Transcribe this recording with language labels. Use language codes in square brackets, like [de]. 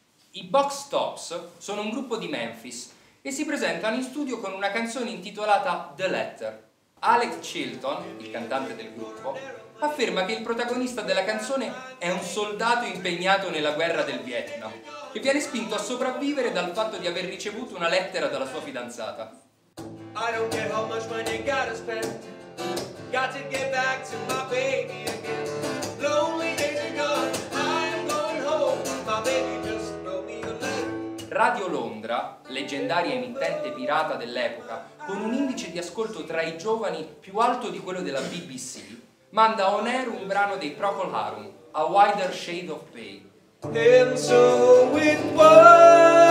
[it] I Box Tops sono un gruppo di Memphis e si presentano in studio con una canzone intitolata The Letter. Alex Chilton, il cantante del gruppo, afferma che il protagonista della canzone è un soldato impegnato nella guerra del Vietnam e viene spinto a sopravvivere dal fatto di aver ricevuto una lettera dalla sua fidanzata. [en] I don't care how much money you gotta spend. Got to get back to my baby again. Lonely days are gone, I'm going home. My baby just wrote me a letter. [it] Radio Londra, leggendaria emittente pirata dell'epoca, con un indice di ascolto tra i giovani più alto di quello della BBC, manda on air un brano dei Procol Harum, A Wider Shade of Pale. [en] And so it was.